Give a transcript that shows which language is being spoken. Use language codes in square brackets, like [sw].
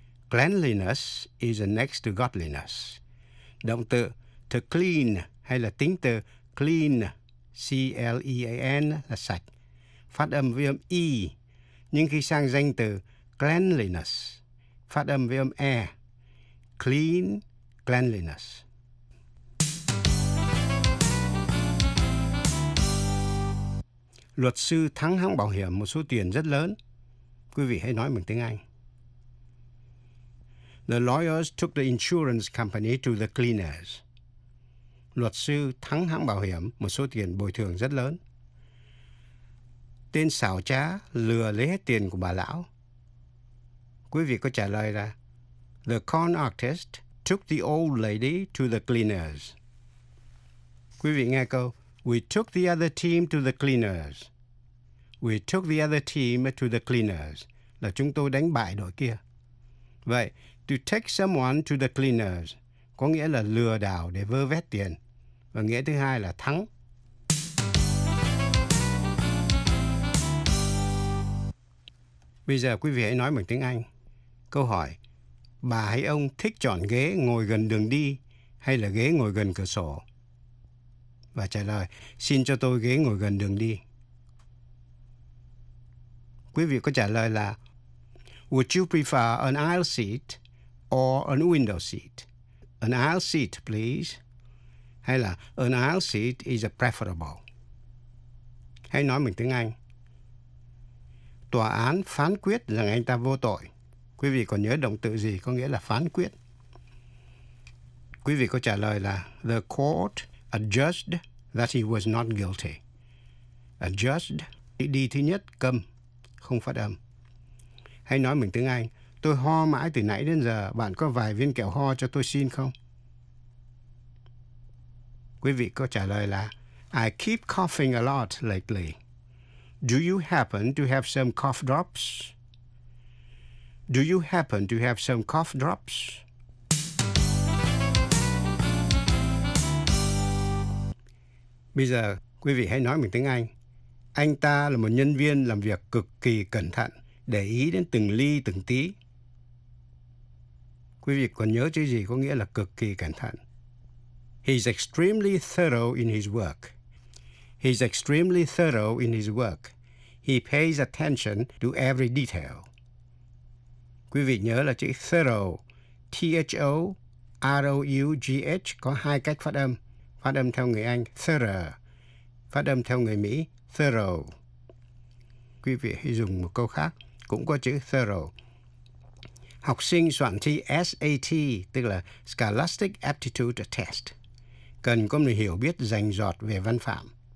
[en] Cleanliness is next to godliness. [vi] Động từ to clean hay là tính từ clean, C-L-E-A-N là sạch, phát âm với âm E. Nhưng khi sang danh từ cleanliness, phát âm với âm E. [en] Clean, cleanliness. [vi] Luật sư thắng hãng bảo hiểm một số tiền rất lớn. Quý vị hãy nói bằng tiếng Anh. [en] The lawyers took the insurance company to the cleaners. [vi] Luật sư thắng hãng bảo hiểm một số tiền bồi thường rất lớn. Tên xảo trá lừa lấy hết tiền của bà lão. Quý vị có trả lời là [en] the con artist took the old lady to the cleaners. [vi] Quý vị nghe câu [en] we took the other team to the cleaners. We took the other team to the cleaners. [vi] Là chúng tôi đánh bại đội kia. Vậy, [en] to take someone to the cleaners [vi] có nghĩa là lừa đảo để vơ vét tiền. Và nghĩa thứ hai là thắng. Bây giờ quý vị hãy nói bằng tiếng Anh. Câu hỏi, bà hay ông thích chọn ghế ngồi gần đường đi hay là ghế ngồi gần cửa sổ? Và trả lời, xin cho tôi ghế ngồi gần đường đi. quý vị có trả lời là [en] Would you prefer an aisle seat or an window seat? An aisle seat, please. [vi] Hay là [en] an aisle seat is preferable. [vi] Hãy nói bằng tiếng Anh. Tòa án phán quyết rằng anh ta vô tội. Quý vị còn nhớ động từ gì có nghĩa là phán quyết? Quý vị có trả lời là [en] The court adjudged that he was not guilty. [vi] Adjudged, đi thứ nhất, câm, không phát âm. Hãy nói bằng tiếng Anh. Tôi ho mãi từ nãy đến giờ. Bạn có vài viên kẹo ho cho tôi xin không? Quý vị có trả lời là [en] I keep coughing a lot lately. Do you happen to have some cough drops? Do you happen to have some cough drops? [vi] Bây giờ, quý vị hãy nói bằng tiếng Anh. Anh ta là một nhân viên làm việc cực kỳ cẩn thận, để ý đến từng ly từng tí. Quý vị còn nhớ chữ gì có nghĩa là cực kỳ cẩn thận? [en] He's extremely thorough in his work. He's extremely thorough in his work. He pays attention to every detail. [vi] Quý vị nhớ là chữ thorough, T-H-O-R-O-U-G-H, có hai cách phát âm. Phát âm theo người Anh, thorough. Phát âm theo người Mỹ, thorough. Quý vị hãy dùng một câu khác, cũng có chữ thorough. Học sinh soạn thi SAT, tức là Scholastic Aptitude Test, cần có một hiểu biết rành rọt về văn phạm.